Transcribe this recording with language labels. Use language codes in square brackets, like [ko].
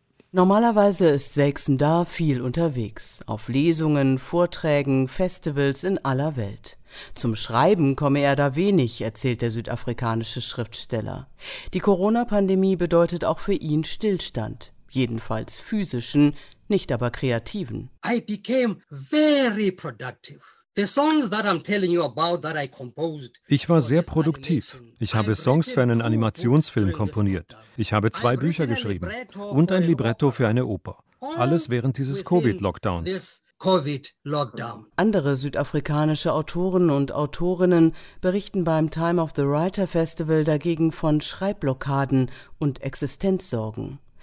[de] Normalerweise ist Selksem da viel unterwegs, auf Lesungen, Vorträgen, Festivals in aller Welt. Zum Schreiben komme er da wenig, erzählt der südafrikanische Schriftsteller. Die Corona-Pandemie bedeutet auch für ihn Stillstand, jedenfalls physischen, nicht aber kreativen. [en] I became very productive. [de] Ich war sehr produktiv. Ich habe Songs für einen Animationsfilm komponiert. Ich habe 2 Bücher geschrieben und ein Libretto für eine Oper. Alles während dieses Covid-Lockdowns. Andere südafrikanische Autoren und Autorinnen berichten beim Time of the Writer Festival dagegen von Schreibblockaden und Existenzsorgen.